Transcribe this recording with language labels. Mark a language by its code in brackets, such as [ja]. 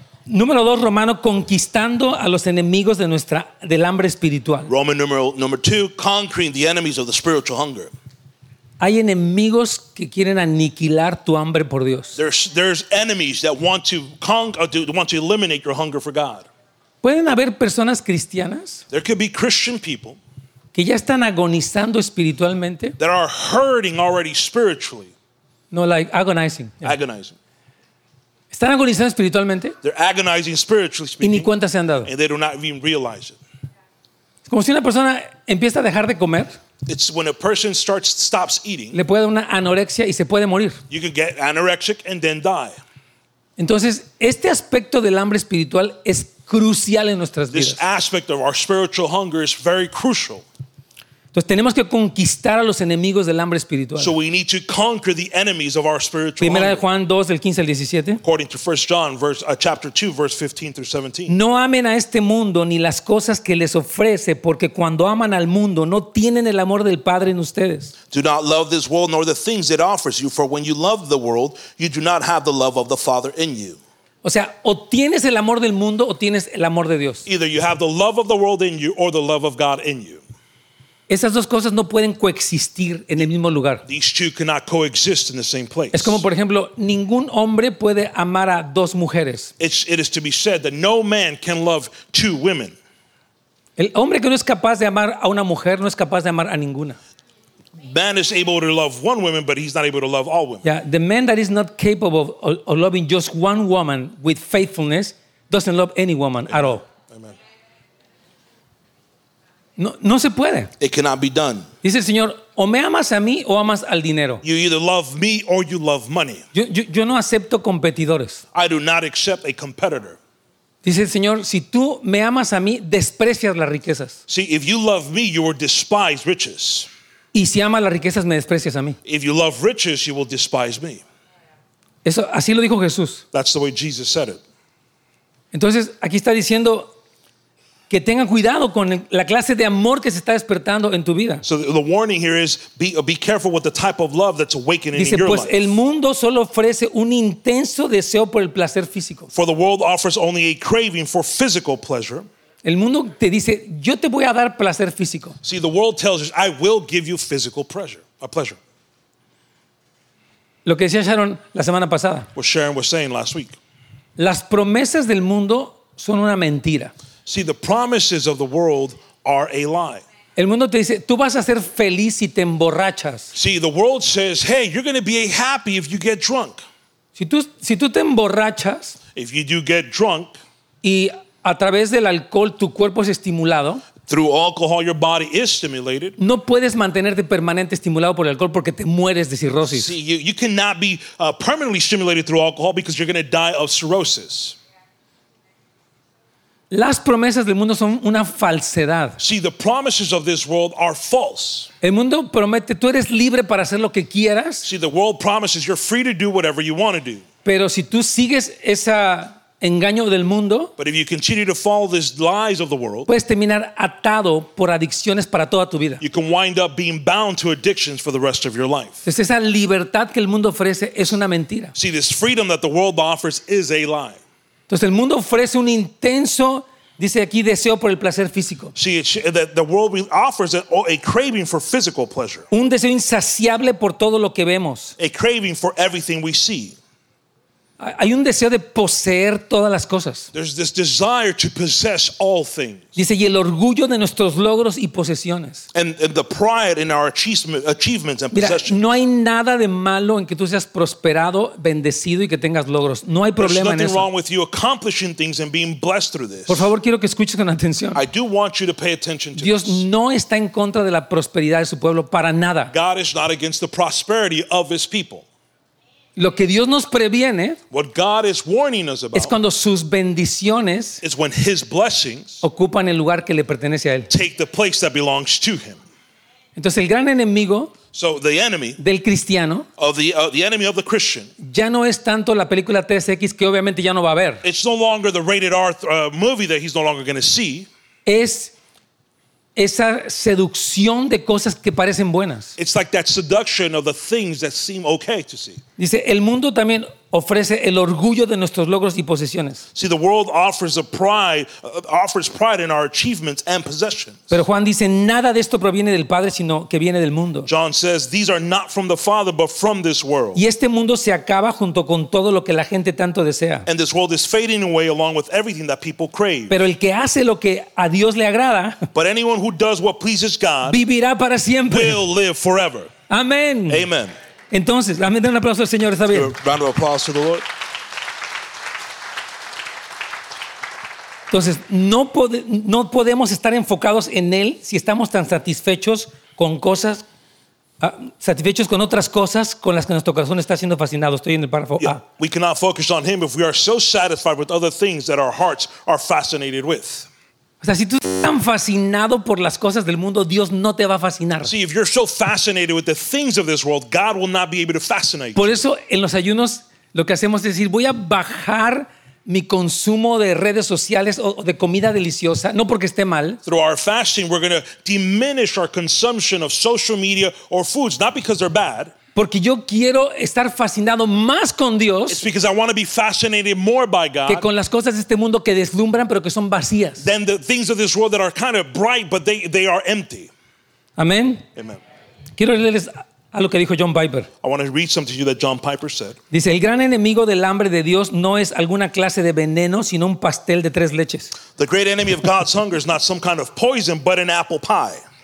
[es] Número 2, romano, conquistando a los enemigos de nuestra del hambre espiritual. [en] Roman number 2, conquering the enemies of the spiritual hunger. [es] Hay enemigos que quieren aniquilar tu hambre por Dios. [en] There's enemies that want to conquer, want to eliminate your hunger for God. [es] Pueden haber personas cristianas. [en] There could be Christian people [es] que ya están agonizando espiritualmente. [en] That are hurting already spiritually. No, like agonizing. Yeah. Agonizing. [es] Están agonizando espiritualmente. [en] They're agonizing spiritually speaking. [es] Y ni cuenta se han dado. [en] And they do not even realize it. [es] Es como si una persona empieza a dejar de comer. [en] It's when a person stops eating. [es] Le puede dar una anorexia y se puede morir. [en] You can get anorexic and then die. [es] Entonces, este aspecto del hambre espiritual es crucial en nuestras [en] this [es] vidas. [en] This aspect of our spiritual hunger is very crucial. [es] Entonces, tenemos que conquistar a los enemigos del hambre espiritual. [en] So we need to conquer the enemies of our spiritual [es] hunger. Primera de Juan 2 del 15 al 17. [en] According to 1 John chapter 2 verse 15 through 17. [es] No amen a este mundo ni las cosas que les ofrece, porque cuando aman al mundo no tienen el amor del Padre en ustedes. [en] Do not love this world nor the things it offers you, for when you love the world, you do not have the love of the Father in you. [es] O sea, o tienes el amor del mundo o tienes el amor de Dios. [en] Either you have the love of the world in you or the love of God in you. [es] Esas dos cosas no pueden coexistir en el mismo lugar. [en] These two cannot coexist in the same place. [es] Es como, por ejemplo, ningún hombre puede amar a dos mujeres. [en] It is to be said that no man can love two women. [es] El hombre que no es capaz de amar a una mujer no es capaz de amar a ninguna. [en] Man is able to love one woman, but he's not able to love all women. Yeah, the man that is not capable of loving just one woman with faithfulness doesn't love any woman Amen. At all. [es] No, no se puede. [en] It cannot be done. [es] Dice el Señor, o me amas a mí o amas al dinero. [en] You either love me or you love money. [es] Yo no acepto competidores. [en] I do not accept a competitor. [es] Dice el Señor, si tú me amas a mí, desprecias las riquezas. [en] See, if you love me, you will despise riches. [es] Y si amas las riquezas, me desprecias a mí. [en] If you love riches, you will despise me. [es] Eso, así lo dijo Jesús. [en] That's the way Jesus said it. [es] Entonces, aquí está diciendo, que tengan cuidado con la clase de amor que se está despertando en tu vida. [en] So the warning here is be careful with the type of love that's awakening [es] Dice, [en] in your [es] pues [en] life. [es] El mundo solo ofrece un intenso deseo por el placer físico. [en] For the world offers only a craving for physical pleasure. [es] El mundo te dice, yo te voy a dar placer físico. [en] See, the world tells us, I will give you physical pleasure, a pleasure. [es] Lo que decía Sharon la semana pasada. [en] What Sharon was saying last week. [es] Las promesas del mundo son una mentira. [en] See, the promises of the world are a lie. [es] El mundo te dice, tú vas a ser feliz si te emborrachas. [en] See, the world says, hey, you're going to be happy if you get drunk. [es] Si tú te emborrachas. [en] If you do get drunk. [es] Y a través del alcohol tu cuerpo es estimulado. [en] Through alcohol, your body is stimulated. [es] No puedes mantenerte permanente estimulado por el alcohol porque te mueres de cirrosis. [en] See, you cannot be permanently stimulated through alcohol because you're going to die of cirrhosis. [es] Las promesas del mundo son una falsedad. [en] See, the promises of this world are false. [es] El mundo promete, tú eres libre para hacer lo que quieras. [en] See, the world promises you're free to do whatever you want to do. [es] Pero si tú sigues esa engaño del mundo, [en] but if you continue to follow these lies of the world, [es] puedes terminar atado por adicciones para toda tu vida. [en] You can wind up being bound to addictions for the rest of your life. [es] Pues esa libertad que el mundo ofrece es una mentira. [en] See, this freedom that the world offers is a lie. [es] Entonces el mundo ofrece un intenso, dice aquí, deseo por el placer físico. [en] See, the world offers a craving for physical pleasure. [es] Un deseo insaciable por todo lo que vemos. [en] A craving for everything we see. [es] Hay un deseo de poseer todas las cosas. [en] There's this desire to possess all things. [es] Dice, y el orgullo de nuestros logros y posesiones. [en] And the pride in our achievements and [es] Mira, [en] possessions. [es] No hay nada de malo en que tú seas prosperado, bendecido y que tengas logros. No hay problema en eso. [en] There's nothing wrong with you accomplishing things and being blessed through this. [es] Por favor, quiero que escuches con atención. [en] I do want you to pay attention to [es] Dios [en] this. [es] No está en contra de la prosperidad de su pueblo para nada. [en] God is not against the prosperity of his people. [es] Lo que Dios nos previene [en] What God is warning us about [es] es cuando sus bendiciones [en] is when his blessings [es] ocupan el lugar que le pertenece a Él. [en] Take the place that belongs to him. [es] Entonces el gran enemigo [en] so the enemy [es] del cristiano [en] of the enemy of the Christian [es] ya no es tanto la película 3X que obviamente ya no va a ver. [en] It's no longer the rated R movie that he's no longer going to see. [es] Es esa seducción de cosas que parecen buenas. [en] It's like that seduction of the things that seem okay to see. [es] Dice, el mundo también ofrece el orgullo de nuestros logros y posesiones. [en] See, the world offers a pride, offers pride in our achievements and possessions. [es] Pero Juan dice, nada de esto proviene del Padre, sino que viene del mundo. [en] John says, these are not from the Father, but from this world. [es] Y este mundo se acaba junto con todo lo que la gente tanto desea. [en] And this world is fading away along with everything that people crave. [es] Pero el que hace lo que a Dios le agrada, [en] but anyone who does what pleases God, [es] vivirá para siempre. [en] Will live forever. [es] Amén. [en] Amen. [es] Entonces, dame un aplauso al Señor, está bien. [en] Round of applause to the Lord. [es] Entonces, no podemos estar enfocados en Él si estamos tan satisfechos con cosas, satisfechos con otras cosas con las que nuestro corazón está siendo fascinado. Estoy en el párrafo A. [en] We cannot focus on Him if we are so satisfied with other things that our hearts are fascinated with. [es] O sea, si tú estás tan fascinado por las cosas del mundo, Dios no te va a fascinar. [en] See, if you're so fascinated with the things of this world, God will not be able to fascinate. [es] Por eso, en los ayunos, lo que hacemos es decir, voy a bajar mi consumo de redes sociales o de comida deliciosa, no porque esté mal. [en] Through our fasting, we're going to diminish our consumption of social media or foods, not because they're bad. [es] Porque yo quiero estar fascinado más con Dios [en] It's because I want to be fascinated more by God [es] que con las cosas de este mundo que deslumbran pero que son vacías. [en] Than the things of this world that are kind of bright but they are empty. [es] Amén. [en] Amen. [es] Quiero leerles a lo que dijo John Piper. [en] I want to read something to you that John Piper said. [es] Dice, el gran enemigo del hambre de Dios no es alguna clase de veneno sino un pastel de tres leches. [en] The great enemy of God's hunger is not some kind of poison but an apple pie.